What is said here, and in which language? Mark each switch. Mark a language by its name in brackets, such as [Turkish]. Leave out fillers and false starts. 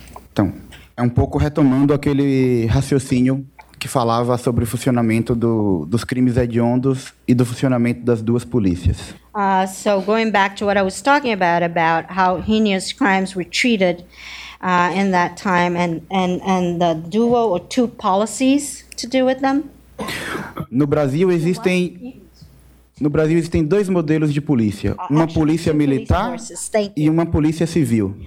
[Portuguese] Então, é um pouco retomando aquele raciocínio que falava sobre o funcionamento dos crimes hediondos e do funcionamento das duas polícias. [English] So going back to what I was talking about how heinous crimes were treated in that time and the dual or two policies to do with them. [Portuguese] No Brasil existem No Brasil existem dois modelos de polícia, uma polícia militar e uma polícia civil.